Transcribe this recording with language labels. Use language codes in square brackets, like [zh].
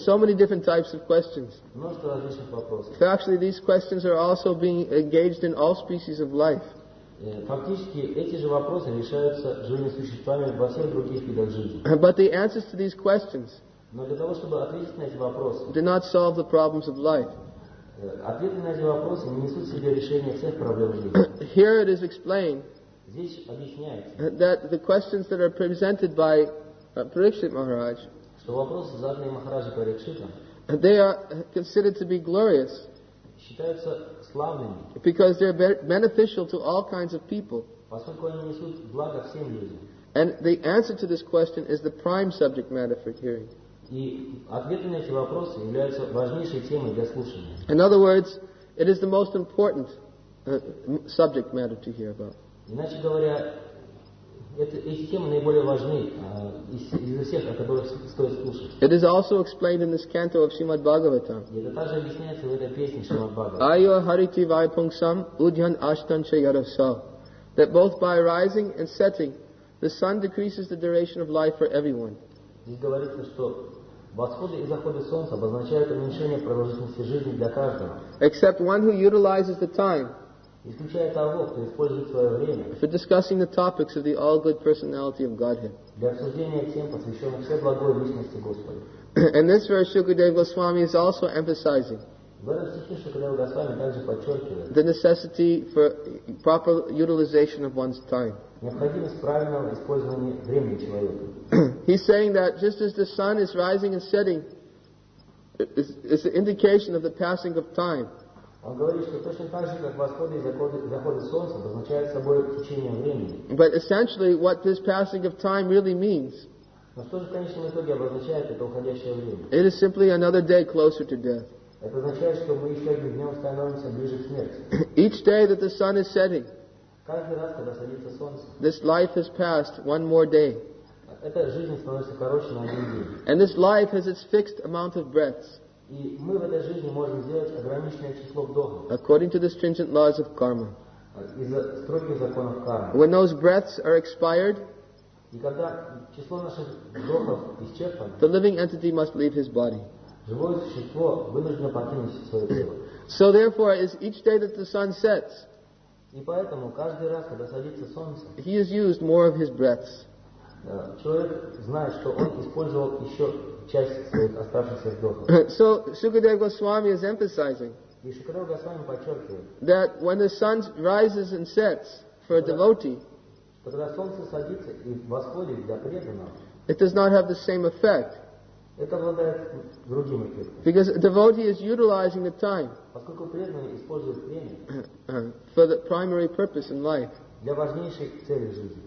[en] So many different types of questions. Actually, these questions are also being engaged in all species of life. But the answers to these questions do not solve the problems of life. [ru] Ответы на эти вопросы не несут в себе решение всех проблем жизни. [en] Here it is explained. [ru] Здесь объясняется. [en] That the questions that are presented by Parikshit Maharaj. [ru] Что вопросы, заданные Махараджи Парикшита. [en] They are considered to be glorious. [ru] Считаются славными. [en] Because they are beneficial to all kinds of people. [ru] Поскольку они несут благо всем людям. [en] And the answer to this question is the prime subject matter for hearing. [ru] И ответы на эти вопросы являются важнейшей темой для слушания. [en] In other words, it is the most important subject matter to hear about. [ru] Иначе говоря, эти темы наиболее важны из всех, о которых стоит слушать. [en] It is also explained in this canto of Srimad Bhagavatam. [ru] Это также объясняется в этой песне Srimad [sa] Bhagavatam. Ayo hariti vai pungsam udhyan ashtan che yarasa. [en] That both by rising and setting, the sun decreases the duration of life for everyone. [ru] Здесь говорится, что восходы и заходы солнца обозначают уменьшение продолжительности жизни для каждого. [en] Except one who utilizes the time. [ru] Исключая того, кто использует свое время. [en] For discussing the topics of the all good personality of Godhead. [ru] Для обсуждения тем, посвященных все благой личности Господа. [en] And this verse Shukadeva Goswami is also emphasizing. [ru] В этом стихе Шукадева Госвами также подчеркивает [en] the necessity for proper utilization of one's time. [ru] Необходимость правильного использования времени человека. [en] He's saying that just as the sun is rising and setting is an indication of the passing of time. [ru] Он говорит, что точно так же, как восходы и заходы солнца обозначают собой течение времени. [en] But essentially, what this passing of time really means, [ru] но что же в конечном итоге обозначает это уходящее время? [en] It is simply another day closer to death. [ru] Это означает, что мы еще одним днем становимся ближе к смерти. [en] Each day that the sun is setting, [ru] каждый раз, когда садится солнце, [en] this life has passed one more day. [ru] Эта жизнь становится короче на один день. [en] And this life has its fixed amount of breaths. [ru] И мы в этой жизни можем сделать ограниченное число вдохов. [en] According to the stringent laws of karma. [ru] Из-за строгих законов кармы. [en] When those breaths are expired, [ru] и когда число наших вдохов исчерпано, [en] the living entity must leave his body. [ru] Живое существо вынуждено покинуть свое тело. [en] So therefore, as each day that the sun sets, [ru] и поэтому каждый раз, когда садится солнце, [en] he has used more of his breaths. [ru] Человек знает, что он использовал еще часть своих оставшихся вдохов. [en] So Shukadeva Goswami is emphasizing, [ru] и Шукадева Госвами подчеркивает, [en] that when the sun rises and sets for a devotee, [ru] когда солнце садится и восходит для преданного, [en] it does not have the same effect. [ru] Это обладает другим эффектом. [en] Because a devotee is utilizing the time, [ru] поскольку преданный использует время, [en] for the primary purpose in life, [ru] для важнейшей цели в жизни.